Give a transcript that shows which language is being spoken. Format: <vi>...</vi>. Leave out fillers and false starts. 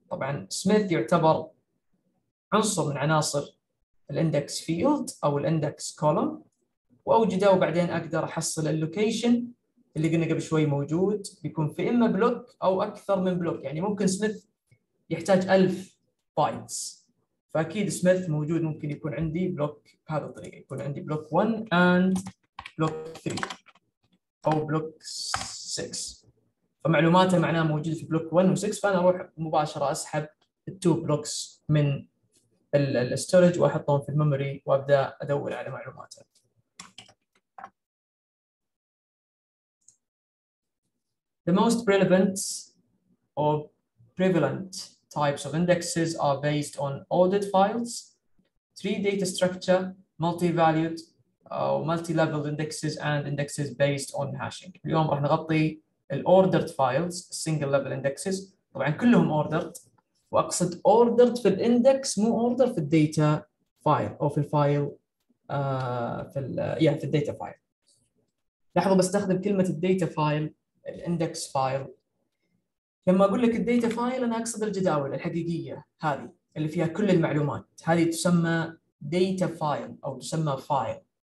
<ar>طبعا سميث يعتبر عنصر من عناصر الاندكس فيلد او الاندكس كولوم، واوجده وبعدين اقدر احصل اللوكيشن اللي قلنا قبل شوي موجود، بيكون في اما بلوك او اكثر من بلوك، يعني ممكن سميث يحتاج 1000 بايتس، فاكيد سميث موجود ممكن يكون عندي بلوك بهذه الطريقه، يكون عندي بلوك 1 اند بلوك 3 أو بلوك 6. فمعلوماته معناها موجودة في بلوك 1 و 6، فأنا أروح مباشرة أسحب التو بلوكس من الستورج وأحطهم في الميموري وأبدأ أدور على معلوماته.</ar> <en>The most relevant or prevalent types of indexes are based on ordered files, three data structure, multi-valued multi-level indexes and indexes based on hashing.</en> <ar>اليوم راح نغطي ال</ar> <en>ordered files, single level indexes.</en> <ar>طبعا كلهم ordered، واقصد ordered في الاندكس مو ordered في الداتا فايل او في الفايل في ال يعني في الداتا فايل. لاحظوا بستخدم كلمه الداتا فايل الاندكس فايل. لما اقول لك الداتا فايل انا اقصد الجداول الحقيقيه هذه اللي فيها كل المعلومات، هذه تسمى داتا فايل او تسمى فايل.</ar>